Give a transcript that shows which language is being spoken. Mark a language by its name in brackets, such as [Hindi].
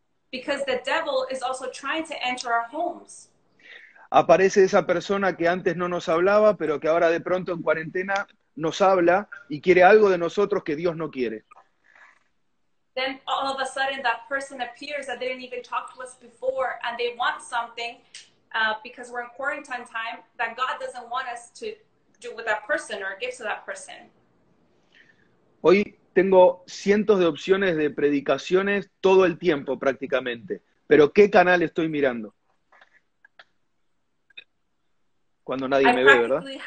[English] Because the devil is also trying to enter our homes. [Spanish] Aparece esa persona que antes no nos hablaba, pero que ahora de pronto en cuarentena nos habla y quiere algo de nosotros que Dios no quiere. [English] Then all of a sudden that person appears that they didn't even talk to us before and they want something because we're in quarantine time that God doesn't want us to do with that person or give to that person. [Spanish] Hoy tengo cientos de opciones de predicaciones todo el tiempo prácticamente. Pero ¿qué canal estoy mirando? Cuando nadie me ve, ¿verdad?